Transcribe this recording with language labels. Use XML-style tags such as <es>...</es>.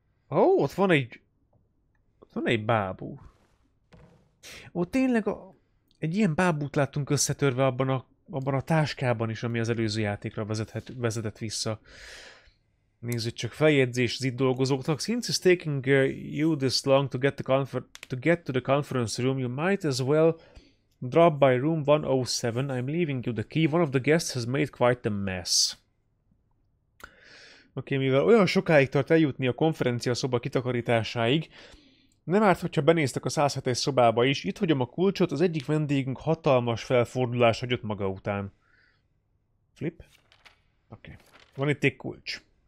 <hu>Ó, ott van egy... Ott van egy bábú. Ó, tényleg a... Egy ilyen bábút láttunk összetörve abban a... Abban a táskában is, ami az előző játékra vezetett vissza. Nézzük csak, feljegyzés az itt dolgozóknak.</hu> <en>Since it's taking you this long to get, to the conference room, you might as well drop by room 107. I'm leaving you the key. One of the guests has made quite a mess.</en> <hu>Oké, mivel olyan sokáig tart eljutni a konferencia szoba kitakarításáig, nem árt, hogyha benéztek a 107-es szobába is. Itt hagyom a kulcsot, az egyik vendégünk hatalmas felfordulást hagyott maga után. Flip. Oké. Van itt egy kulcs.</hu>